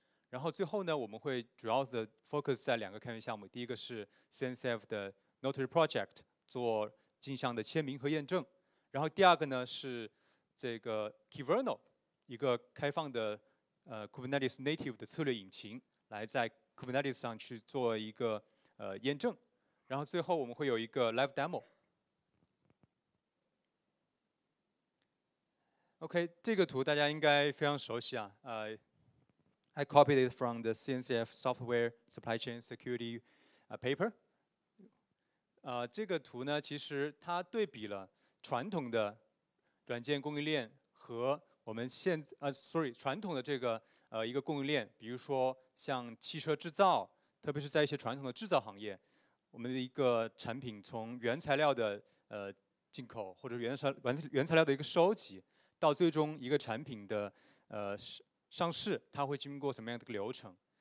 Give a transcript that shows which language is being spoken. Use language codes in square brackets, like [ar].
[zh] 然后最后呢，我们会主要的 focus 在两个开源项目，第一个是 CNCF 的 Notary Project 做镜像的签名和验证，然后第二个呢是这个 Key Vernal 一个开放的Kubernetes Native 的策略引擎，来在 Kubernetes 上去做一个验证，然后最后我们会有一个 Live Demo。 [en] OK， [zh] 这个图大家应该非常熟悉啊， [en] I copied it from the CNCF Software Supply Chain Security paper。 [zh] 这个图呢，其实它对比了传统的软件供应链和我们现传统的这个一个供应链，比如说像汽车制造，特别是在一些传统的制造行业，我们的一个产品从原材料的进口或者原材料的一个收集，到最终一个产品的上市，它会经过什么样的流程。